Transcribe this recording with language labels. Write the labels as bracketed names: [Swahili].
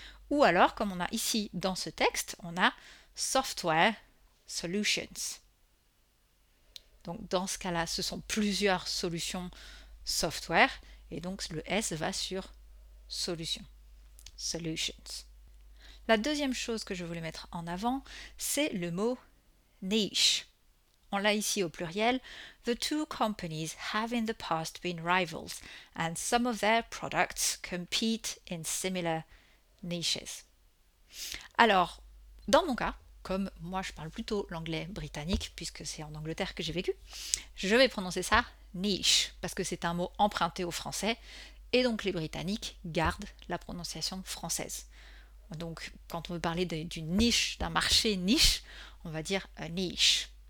[French] Ou alors, comme on a ici dans ce texte, on a « [English] software solutions ». [French] Donc, dans ce cas-là, ce sont plusieurs solutions software, et donc le S va sur solution, solutions. La deuxième chose que je voulais mettre en avant, c'est le mot niche. On l'a ici au pluriel. [English] The two companies have in the past been rivals, and some of their products compete in similar niches. [French] Alors, dans mon cas, comme moi je parle plutôt l'anglais britannique, puisque c'est en Angleterre que j'ai vécu, je vais prononcer ça niche, parce que c'est un mot emprunté au français, et donc les Britanniques gardent la prononciation française. Donc, quand on veut parler d'une niche, d'un marché niche, on va dire [English] a niche.